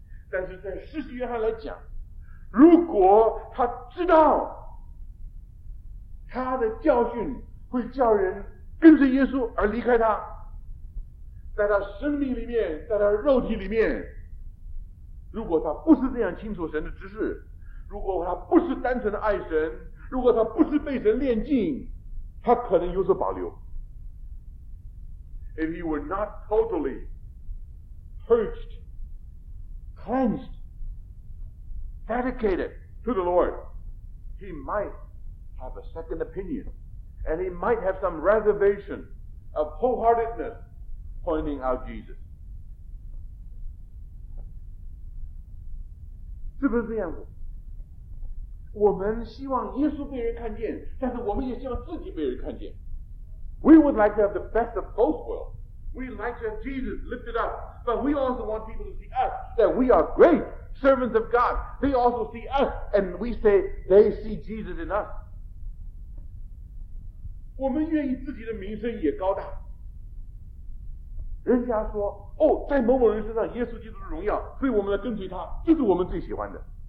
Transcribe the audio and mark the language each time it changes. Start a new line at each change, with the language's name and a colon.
Chinese: 但是在施洗约翰来讲, 如果他知道, 他的教训会叫人跟随耶稣而离开他, 在他生命里面, 在他肉体里面, 如果他不是这样清楚神的指示, 如果他不是单纯的爱神, 如果他不是被神炼净, 他可能有所保留。
English: If he were not totally purged, cleansed, dedicated to the Lord, he might have a second opinion, and he might have some reservation of wholeheartedness pointing out Jesus.
Chinese: 是不是这样子? 我们希望耶稣被人看见, 但是我们也希望自己被人看见。
English: We would like to have the best of both worlds. We like to have Jesus lifted up, but we also want people to see us, that we are great servants of God. They also see us, and we say they see Jesus in us.
Chinese: 我们愿意自己的名声也高大。人家说, 哦, 在某某人身上, 耶稣基督的荣耀, 所以我们来跟随他, 这是我们最喜欢的。